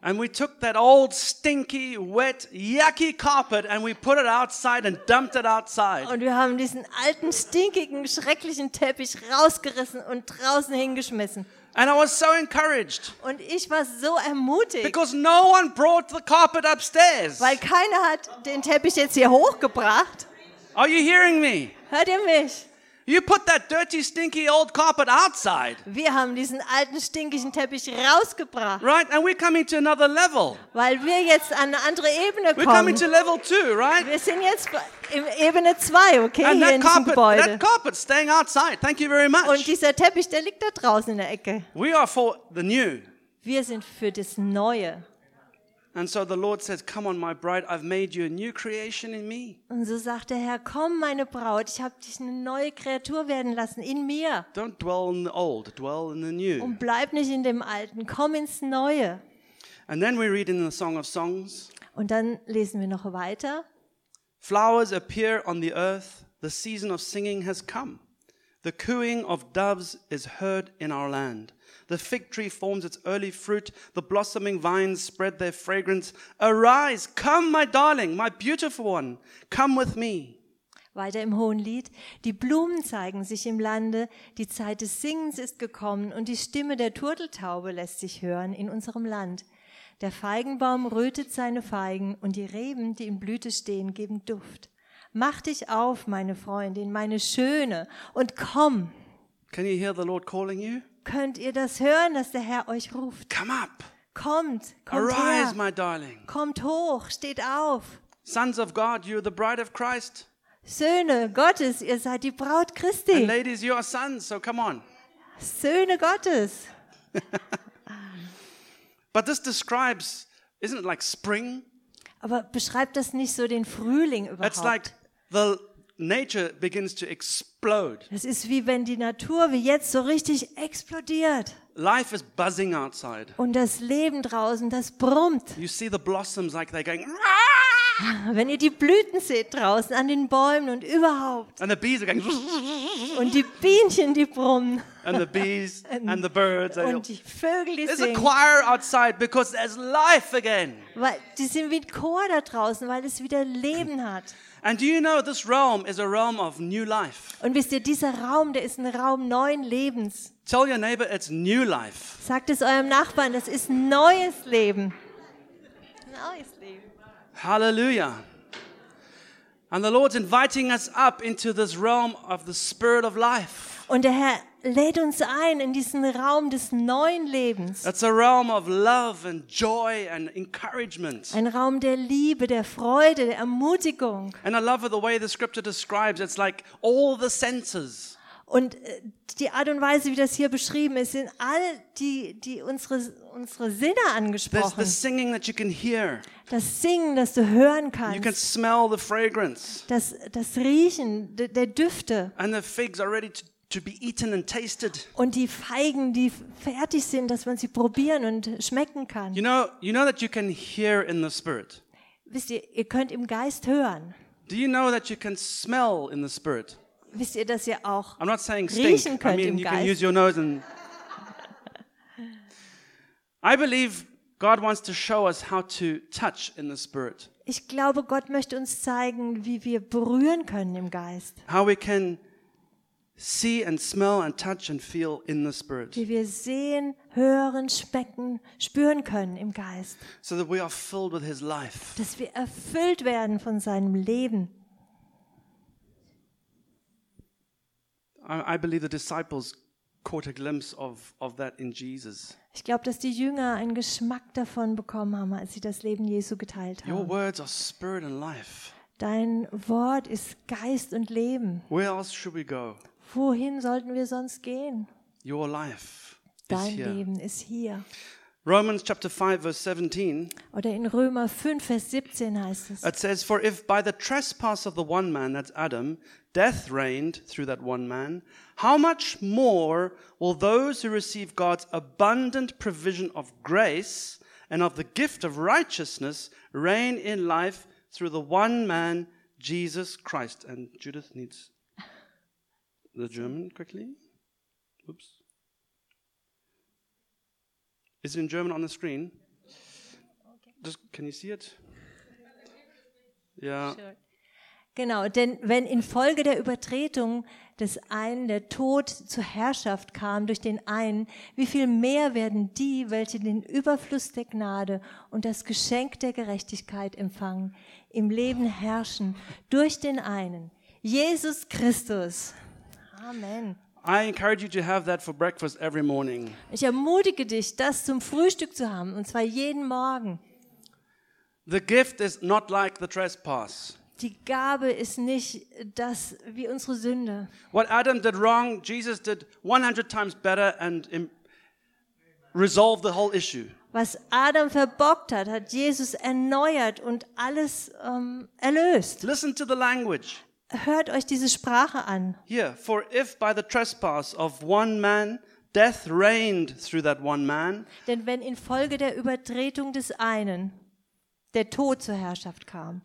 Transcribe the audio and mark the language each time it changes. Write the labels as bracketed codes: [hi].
[en] And we took that old stinky wet yucky carpet and we put it outside and dumped it outside. [de] Und wir haben diesen alten stinkigen schrecklichen Teppich rausgerissen und draußen hingeschmissen. [en] And I was so encouraged. [de] Und ich war so ermutigt. [en] Because no one brought the carpet upstairs. [de] Weil keiner hat den Teppich jetzt hier hochgebracht. [en] Are you hearing me? [de] Hört ihr mich? [en] You put that dirty, stinky old carpet outside. [de] Wir haben diesen alten stinkigen Teppich rausgebracht. [en] Right, and we're coming to another level. [de] Weil wir jetzt an eine andere Ebene kommen. [en] We're coming to level two, right? [de] Wir sind jetzt in Ebene 2, okay, [en] and [de] hier [en] that carpet, [de] in diesem Gebäude. [en] That carpet staying outside. Thank you very much. [de] Und dieser Teppich, der liegt da draußen in der Ecke. [en] We are for the new. [de] Wir sind für das Neue. [en] And so the Lord says, come on my bride, I've made you a new creation in me. [de] Und so sagt der Herr, komm meine Braut, ich habe dich eine neue Kreatur werden lassen in mir. [en] Don't dwell in the old, dwell in the new. [de] Und bleib nicht in dem alten, komm ins neue. [en] And then we read in the Song of Songs. [de] Und dann lesen wir noch weiter. [en] Flowers appear on the earth, the season of singing has come. The cooing of doves is heard in our land. The fig tree forms its early fruit. The blossoming vines spread their fragrance. Arise, come, my darling, my beautiful one, come with me. [de] Weiter im Hohen Lied. Die Blumen zeigen sich im Lande. Die Zeit des Singens ist gekommen und die Stimme der Turteltaube lässt sich hören in unserem Land. Der Feigenbaum rötet seine Feigen und die Reben, die in Blüte stehen, geben Duft. Mach dich auf, meine Freundin, meine Schöne, und komm. [en] Can you hear the Lord calling you? [de] Könnt ihr das hören, dass der Herr euch ruft? [en] Come up. [de] Kommt, kommt [en] Arise, [de] her. [en] My darling. [de] Kommt hoch, steht auf. [en] Sons of God, you are the bride of Christ. [de] Söhne Gottes, ihr seid die Braut Christi. [en] And ladies, you are sons, so come on. [de] Söhne Gottes. [en] But this describes, isn't it like spring? [de] Aber beschreibt das nicht so den Frühling überhaupt? [en] It's like the nature begins to explode. [de] Es ist wie wenn die Natur wie jetzt so richtig explodiert. [en] Life is buzzing outside. [de] Und das Leben draußen, das brummt. [en] You see the blossoms like they're going. [de] Wenn ihr die Blüten seht draußen an den Bäumen und überhaupt. [en] And the bees are going. [de] Und die Bienchen, die brummen. [en] And the bees and the birds. [de] Und die Vögel, die singen. [en] There's a choir outside because there's life again. [de] Weil die sind wie ein Chor da draußen, weil es wieder Leben hat. [en] And do you know this realm is a realm of new life? [de] Und wisst ihr, dieser Raum, der ist ein Raum neuen Lebens. [en] Tell your neighbor it's new life. [de] Sagt es eurem Nachbarn, das ist neues Leben. Neues Leben. Hallelujah. [en] And the Lord's inviting us up into this realm of the Spirit of life. [de] Und der Herr lädt uns ein in diesen Raum des neuen Lebens. [en] It's a realm of love and joy and encouragement. [de] Ein Raum der Liebe, der Freude, der Ermutigung. [en] And I love the way the scripture describes, it's like all the senses. [de] Und die Art und Weise, wie das hier beschrieben ist, sind all die unsere Sinne angesprochen. [en] The singing that you can hear. [de] Das Singen, das du hören kannst. [en] You can smell the fragrance. [de] Das Riechen der Düfte. [en] And the figs are ready to be eaten and tasted. [de] Und die Feigen, die fertig sind, dass man sie probieren und schmecken kann. [en] You know that you can hear in the spirit. [de] Wisst ihr könnt im Geist hören. [en] Do you know that you can smell in the spirit? [de] Wisst ihr, dass ihr auch [en] I'm not saying stink. [de] Riechen könnt [en] I mean, [de] im [en] you [de] Geist. [en] Can use your nose and I believe God wants to show us how to touch in the spirit. [de] Ich glaube, Gott möchte uns zeigen, wie wir berühren können im Geist. [en] How we can see and smell and touch and feel in the spirit. [de] Wie wir sehen, hören, schmecken, spüren können im Geist. [en] So that we are filled with his life. [de] Dass wir erfüllt werden von seinem Leben. [en] I believe the disciples caught a glimpse of that in Jesus. [de] Ich glaube, dass die Jünger einen Geschmack davon bekommen haben, als sie das Leben Jesu geteilt haben. [en] Your words are spirit and life. [de] Dein Wort ist Geist und Leben. [en] Where else should we go? [de] Wohin sollten wir sonst gehen? [en] Your life [de] Dein [en] is here. [de] Leben ist hier. [en] Romans chapter 5 verse 17. [de] Oder in Römer 5 Vers 17 heißt es. [en] It says, for if by the trespass of the one man, that's Adam, death reigned through that one man, how much more will those who receive God's abundant provision of grace and of the gift of righteousness reign in life through the one man, Jesus Christ. And Judith needs the German quickly. Oops. Is it in German on the screen? Just, can you see it? Yeah. Sure. [de] Genau, denn wenn infolge der Übertretung des einen der Tod zur Herrschaft kam durch den einen, wie viel mehr werden die, welche den Überfluss der Gnade und das Geschenk der Gerechtigkeit empfangen, im Leben herrschen durch den einen, Jesus Christus. Amen. [en] I encourage you to have that for breakfast every morning. [de] Ich ermutige dich, das zum Frühstück zu haben, und zwar jeden Morgen. [en] The gift is not like the trespass. [de] Die Gabe ist nicht das wie unsere Sünde. [en] What Adam did wrong, Jesus did 100 times better and resolved the whole issue. [de] Was Adam verbockt hat, hat Jesus erneuert und alles erlöst. [en] Listen to the language. [de] Hört euch diese Sprache an. [en] Here, for if by the trespass of one man death reigned through that one man. [de] Denn wenn infolge der Übertretung des einen der Tod zur Herrschaft kam.